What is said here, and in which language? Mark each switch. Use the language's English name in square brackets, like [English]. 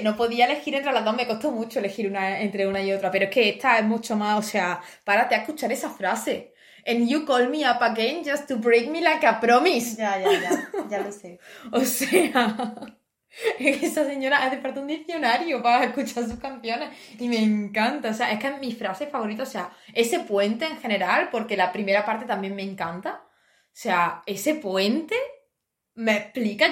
[Spanish] No podía elegir entre las dos, me costó mucho elegir una entre una y otra, pero es que esta es mucho más, o sea, párate a escuchar esa frase. [English] And you call me up again just to break me like a promise. [Spanish] Ya lo sé. O sea, esa señora hace falta un diccionario para escuchar sus canciones y me encanta, o sea, es que es mi frase favorita, o sea, ese puente en general, porque la primera parte también me encanta, o sea, ese puente... ¿Me explica?